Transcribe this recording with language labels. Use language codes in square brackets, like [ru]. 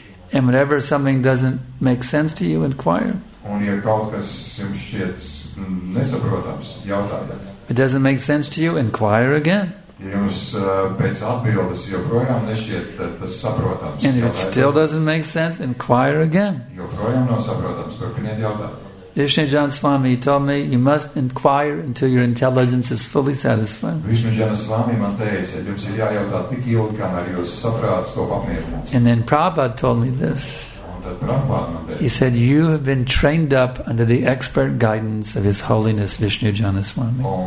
[en] And whenever something doesn't make sense to you, inquire. [lv] Un ja kaut kas jums šķiet nesaprotams, jautājiet. [en] If it doesn't make sense to you, inquire again. [lv] Ja jums pēc atbildes joprojām nešķiet tas saprotams, [en] and if it still doesn't make sense, inquire again. [lv] Joprojām nav saprotams, turpiniet jautāt. [en] Vishnujana Swami told me, you must inquire until your intelligence is fully satisfied. [lv] Vishnujana Swami man teica, jums ir jājautā tik ilgi, kamēr jūs saprāts to papmierināts. [en] And then Prabhupada told me this. He said, you have been trained up under the expert guidance of His Holiness Vishnujana Swami.